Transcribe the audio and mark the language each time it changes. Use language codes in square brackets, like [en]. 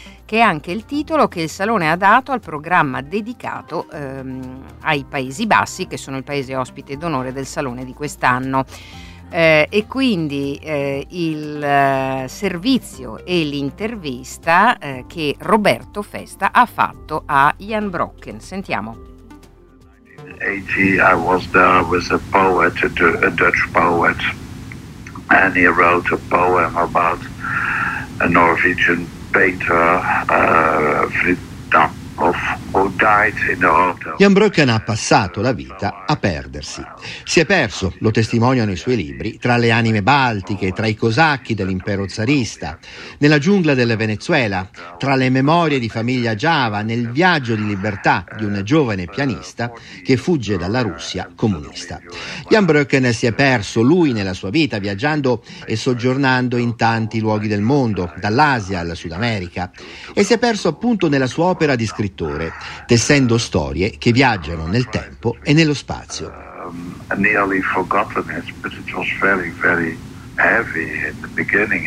[it] che è anche il titolo che il Salone ha dato al programma dedicato ai Paesi Bassi, che sono il paese ospite d'onore del Salone di quest'anno. E quindi il servizio e l'intervista che Roberto Festa ha fatto a Jan Brocken. Sentiamo. [en] I was there with a poet, a Dutch poet, and he wrote a poem about a Norwegian [it] Jan Brocken ha passato la vita a perdersi. Si è perso, lo testimoniano i suoi libri, tra le anime baltiche, tra i cosacchi dell'impero zarista, nella giungla del Venezuela, tra le memorie di famiglia Java, nel viaggio di libertà di un giovane pianista che fugge dalla Russia comunista. Jan Brocken si è perso, lui, nella sua vita, viaggiando e soggiornando in tanti luoghi del mondo, dall'Asia alla Sud America, e si è perso appunto nella sua opera di scrittore, tessendo storie che viaggiano nel tempo e nello spazio. [en] Nearly forgotten it, but it was very, very heavy in the beginning.